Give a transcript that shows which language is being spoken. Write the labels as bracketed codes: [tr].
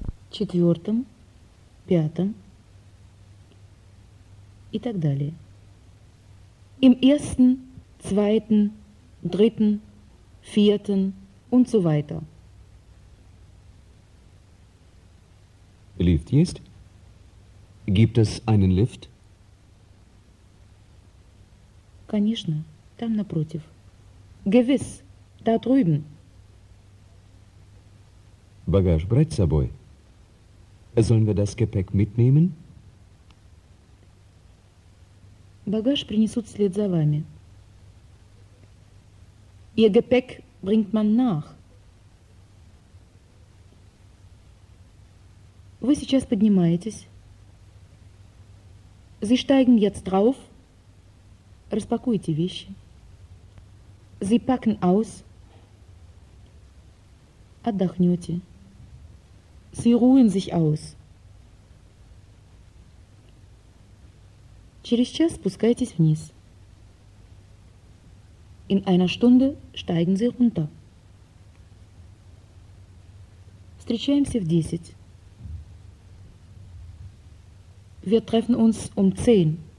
[ru] Четвертом, пятом и так далее. [de] Im ersten, zweiten, dritten, vierten und so weiter. [ru] Lift есть? [de] Gibt es einen Lift? [ru] Конечно, там напротив. [de] Gewiss, da drüben. [ru] Багаж брать с собой? [de] Sollen wir das Gepäck mitnehmen? [ru] Багаж принесут вслед за вами. [de] Ihr Gepäck bringt man nach. [ru] Вы сейчас поднимаетесь. [de] Sie steigen jetzt drauf. [ru] Распакуйте вещи. [de] Sie packen aus. [ru] Отдохнете. [de] Sie ruhen sich aus. [ru] Через час спускайтесь вниз. [de] In einer Stunde steigen Sie runter. [ru] Встречаемся в 10. [de] Wir treffen uns um 10.